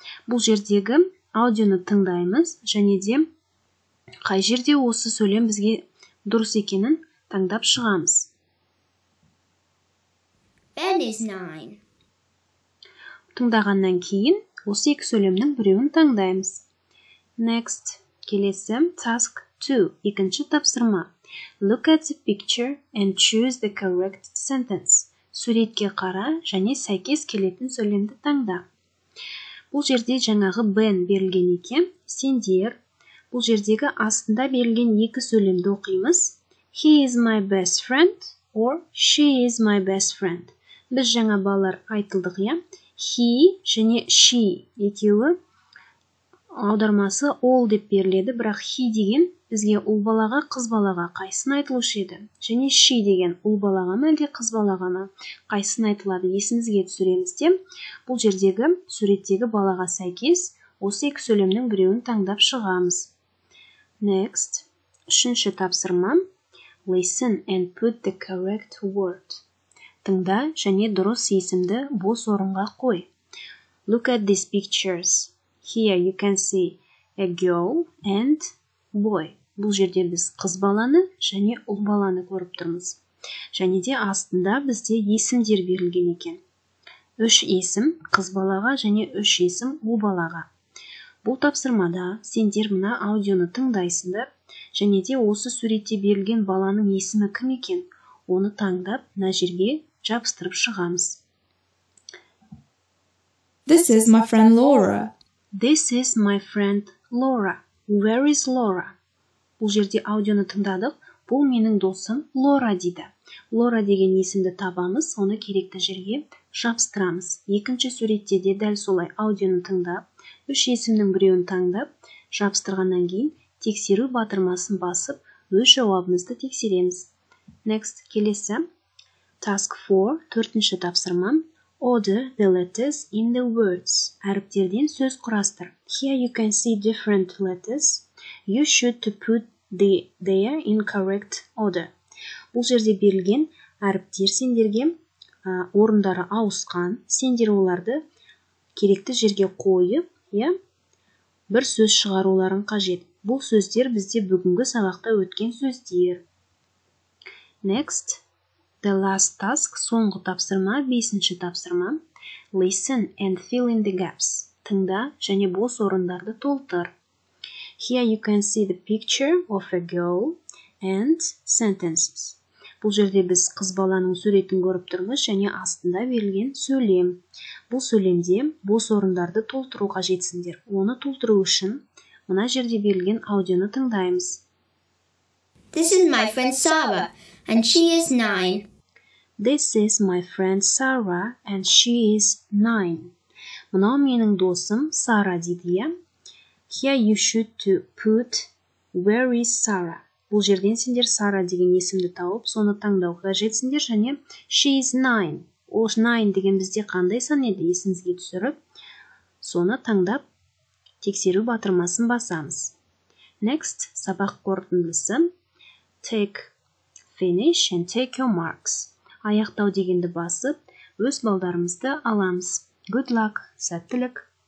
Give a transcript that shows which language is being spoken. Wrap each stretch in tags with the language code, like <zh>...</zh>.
<kk>Бұл жердегі аудионы тыңдаймыз, және де қай жерде осы сөйлем бізге дұрыс екенін таңдап шығамыз.</kk> <en>Ben is 9.</en> <kk>Тыңдағаннан кейін осы екі сөйлемнің біреуін таңдаймыз.</kk> <en>Next.</en> <kk>Келесі task 2. Екінші тапсырма.</kk> <en>Look at the picture and choose the correct sentence.</en> <kk>Суретке қара және сәйкес келетін сөйлемді таңда. Бұл жерде жаңағы Ben берілген екен. Сендер. Бұл жердегі астында берілген екі сөйлемді оқимыз.</kk> <en>He is my best friend or she is my best friend.</en> <kk>Біз жаңа балалар айтылдық, я. He және she екеуі аудармасы all деп беріледі, бірақ he деген бізге ұл балаға, қыз балаға қайсын айтылушы еді. Және she деген ұл балаға ма, әлде қыз балаға ма, қайсын айтылады, есімізге түсіреміз де. Бұл жердегі суреттегі балаға сәйкес осы екі сөйлемнің біреуін таңдап шығамыз. Next. Үшінші тапсырма.</kk> <en>Listen and put the correct word.</en> <kk>Тыңда және дұрыс есімді бос орынға қой.</kk> <en>Look at these pictures. Here you can see a girl and boy.</en> <kk>Бұл жерде біз қыз баланы және ұл баланы көріп тұрмыз. Және де астында бізде есімдер берілген екен. Үш есім қыз балаға және үш есім ұл балаға. Бұл тапсырмада сендер мына аудионы тыңдайсыңдар. Және де осы суретте берілген баланың есімі кім екен, оны таңдап, мына жерге жабыстырып шығамыз.</kk> <en>This is my friend Laura. This is my friend Laura. Where is Laura?</en> <kk>Бұл жерде аудионы тыңдадық. Бұл менің досым Laura дейді. Laura деген есімді табамыз, оны керекті жерге жабыстырамыз. Екінші суретте де дәл солай аудионы тыңдап, үш есімнің біреуін таңдап, жабыстырғаннан кейін тексеру батырмасын басып, өз жауабымызды тексереміз. Next, келесі. Task 4, төртінші тапсырмам.</kk> <en>Order the letters in the words.</en> <kk>Әріптерден сөз құрастыр.</kk> <en>Here you can see different letters. You should to put the there in correct order.</en> <kk>Бұл жерде берілген әріптер сендерге орындары ауысқан. Сендер оларды керекті жерге қойып, бір сөз шығаруларын қажет. Бұл сөздер бізде бүгінгі сабақта өткен сөздер.</kk> <en>Next, the last task,</en> <kk>соңғы тапсырма, бесінші тапсырма.</kk> <en>Listen and fill in the gaps.</en> <kk>Тыңда және бос орындарды толтыр.</kk> <en>Here you can see the picture of a girl and sentences.</en> <kk>Бұл жерде біз қыз баланың суретін көріп тұрмыз және астында берілген сөйлем. Бұл сөйлемде бос орындарды толтыру қажетсіңдер. Оны толтыру үшін мына жерде берілген аудионы тыңдаймыз.</kk> <en>This is my friend Sara, and she is 9. This is my friend Sara, and she is 9.</en> <kk>Мынау менің досым Сара дейді, я.</kk> <en>Here you should to put where is Sara.</en> <kk>Бұл жерден сендер Сара деген есімді тауып, соны таңдау қажетсіңдер, және</kk> <en>she is 9.</en> <kk>Ол 9 деген бізде қандай сан еді, есіңізге түсіріп, соны таңдап, тексеру батырмасын басамыз. Next, сабақ қорытындысы.</kk> <en>Take, finish and take your marks.</en> <kk>Аяқтау дегенді басып, өз балдарымызды аламыз.</kk> <en>Good luck,</en> <kk>сәттілік!</kk>